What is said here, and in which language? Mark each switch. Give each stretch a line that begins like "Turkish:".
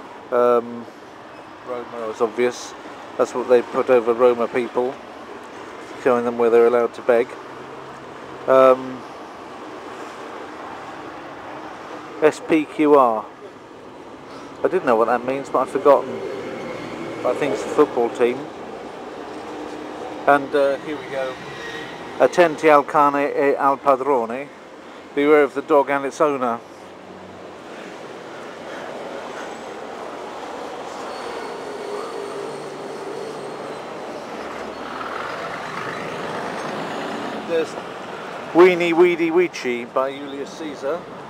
English: Roma is obvious. That's what they put over Roma people, showing them where they're allowed to beg. SPQR. I did know what that means, but I've forgotten. I think it's a football team. And here we go.
Italian: Attenti al cane e al padrone.
English: Beware of the dog and its owner. There's Weenie Weedy Weechy by Julius Caesar.